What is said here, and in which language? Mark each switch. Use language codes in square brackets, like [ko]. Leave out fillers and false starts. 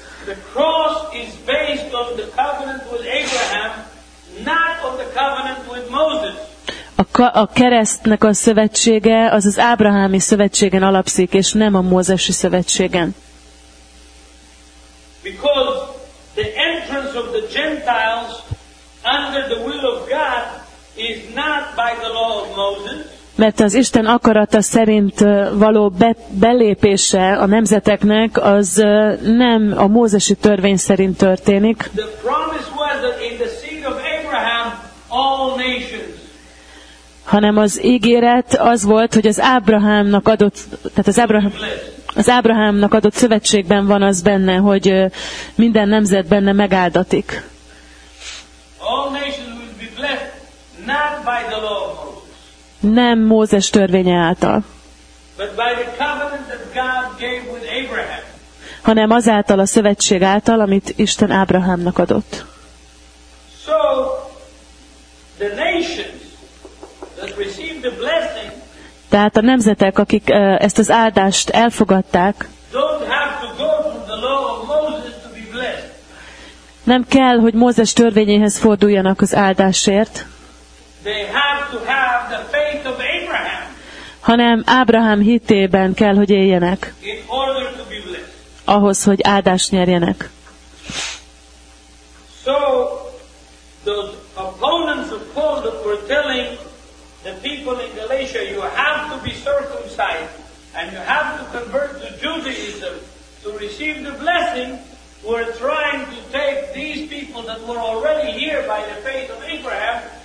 [en] The cross is based on the covenant with Abraham, not on the covenant with Moses. [hu] A keresztnek a szövetsége az az ábrahámi szövetségen alapszik, és nem a mózesi szövetségen. [en] Because the entrance of the Gentiles under the will of God is not by the law of Moses. [hu] Mert az Isten akarata szerint való belépése a nemzeteknek, az nem a mózesi törvény szerint történik. [en] The promise was that in the seed of Abraham, all nations. [hu] Hanem az ígéret az volt, hogy az Ábrahámnak adott, tehát az Ábrahámnak adott szövetségben van az benne, hogy minden nemzet benne megáldatik. [en] All nations will be blessed, not by the law. [hu] Nem Mózes törvénye által. [en] But by the covenant that God gave with Abraham. [hu] Hanem azáltal a szövetség által, amit Isten Ábrahámnak adott. [en] So, the nations that received the blessing, [hu] tehát a nemzetek, akik ezt az áldást elfogadták, [en] don't have to go through the law of Moses to be blessed. [hu] Nem kell, hogy Mózes törvényéhez forduljanak az áldásért. [en] They have to have the faith of Abraham. [hu] Hanem Ábrahám hitében kell, hogy éljenek. [en] In order to be blessed. [hu] Ahhoz, hogy áldást nyerjenek. [en] So, the opponents of Paul that were telling the people in Galatia, you have to be circumcised and you have to convert to Judaism to receive the blessing, were trying to take these people that were already here by the faith of Abraham.